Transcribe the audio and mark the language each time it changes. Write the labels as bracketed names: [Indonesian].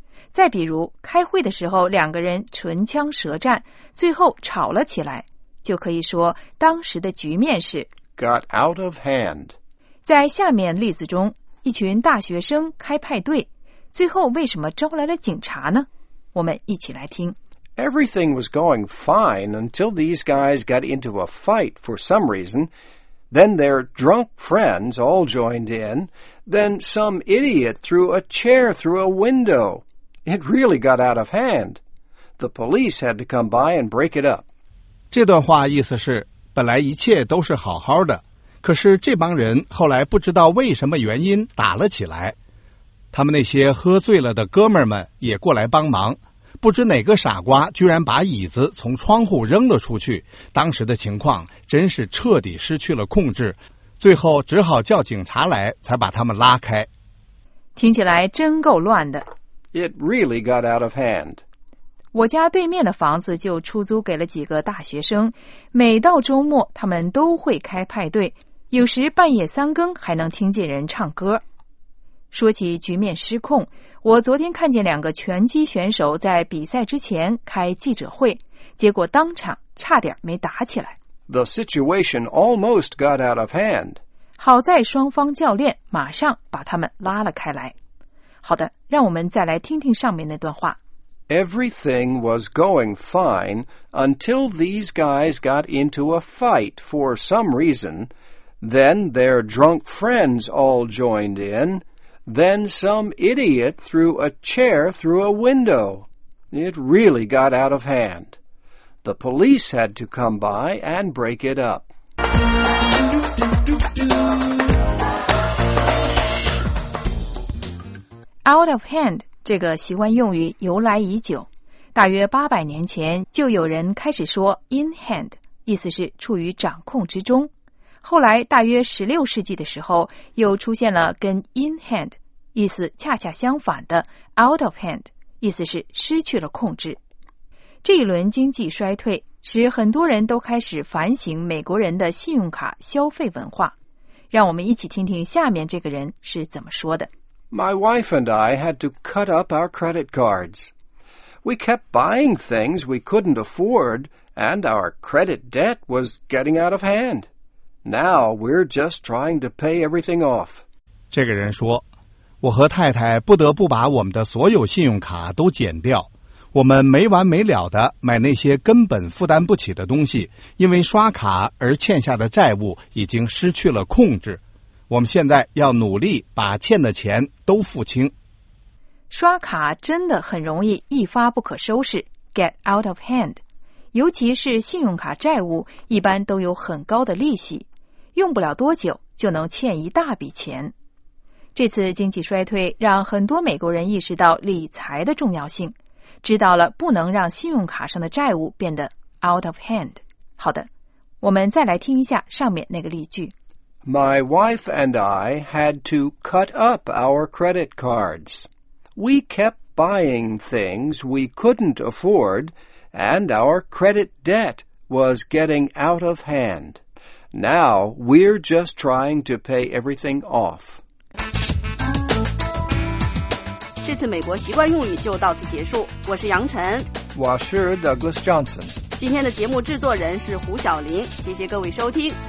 [Chinese] 再比如开会的时候两个人唇枪舌战最后吵了起来就可以说当时的局面是 [English] got out of hand [Chinese] 在下面例子中一群大学生开派对最后为什么招来了警察呢我们一起来听 [English] Everything was going fine until these guys got into a fight for some reason then their drunk friends all joined in then some idiot threw a chair through a windowIt really got out of hand. The police had to come by and break it up. [Chinese] 这段话意思是，本来一切都是好好的，可是这帮人后来不知道为什么原因打了起来。他们那些喝醉了的哥们儿们也过来帮忙，不知哪个傻瓜居然把椅子从窗户扔了出去，当时的情况真是彻底失去了控制，最后只好叫警察来才把他们拉开。听起来真够乱的。 [English] It really got out of hand. [Chinese] 我家对面的房子就出租给了几个大学生，每到周末他们都会开派对，有时半夜三更还能听见人唱歌。说起局面失控，我昨天看见两个拳击选手在比赛之前开记者会，结果当场差点没打起来。 [English] The situation almost got out of hand. [Chinese] 好在双方教练马上把他们拉了开来。好的，让我们再来听听上面那段话。 [English] Everything was going fine until these guys got into a fight for some reason. Then their drunk friends all joined in. Then some idiot threw a chair through a window. It really got out of hand. The police had to come by and break it up. [Chinese] Out of hand 这个习惯用语由来已久，大约800年前就有人开始说 in hand， 意思是处于掌控之中。后来大约16世纪的时候，又出现了跟 in hand 意思恰恰相反的 out of hand， 意思是失去了控制。这一轮经济衰退使很多人都开始反省美国人的信用卡消费文化。让我们一起听听下面这个人是怎么说的。 [English] My wife and I had to cut up our credit cards. We kept buying things we couldn't afford, and our credit debt was getting out of hand. Now we're just trying to pay everything off. [Chinese] 这个人说，我和太太不得不把我们的所有信用卡都减掉。我们没完没了的买那些根本负担不起的东西，因为刷卡而欠下的债务已经失去了控制。我们现在要努力把欠的钱都付清。刷卡真的很容易一发不可收拾 , [English] get out of hand。 [Chinese] 尤其是信用卡债务一般都有很高的利息，用不了多久就能欠一大笔钱。这次经济衰退让很多美国人意识到理财的重要性，知道了不能让信用卡上的债务变得 out of hand。好的，我们再来听一下上面那个例句。 [English] My wife and I had to cut up our credit cards. We kept buying things we couldn't afford, and our credit debt was getting out of hand. Now we're just trying to pay everything off. [Chinese] 这次美国习惯用语就到此结束。我是杨晨，我是 Douglas Johnson。今天的节目制作人是胡晓玲，谢谢各位收听。